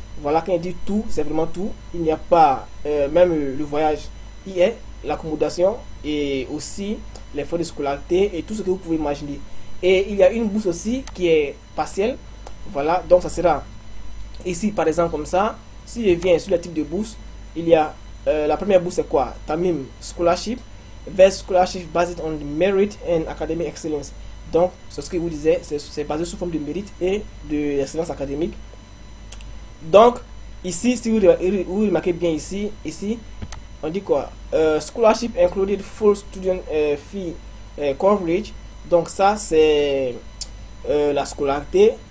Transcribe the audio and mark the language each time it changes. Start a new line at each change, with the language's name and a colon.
French: Voilà, quand il dit tout, c'est vraiment tout. Il n'y a pas, même le voyage, il y est, l'accommodation et aussi les frais de scolarité et tout ce que vous pouvez imaginer. Et il y a une bourse aussi qui est partielle. Voilà, donc ça sera Ici, par exemple, comme ça, si je viens sur le type de bourse, il y a la première bourse, c'est quoi?
English: Tamim Scholarship, vers Scholarship based on the merit and academic excellence.
French: Donc, c'est ce que vous disiez, c'est basé sous forme de mérite et de l'excellence académique. Donc, ici, si vous remarquez bien ici, on dit quoi?
English: Scholarship included full student fee coverage.
French: Donc, ça, c'est la scolarité.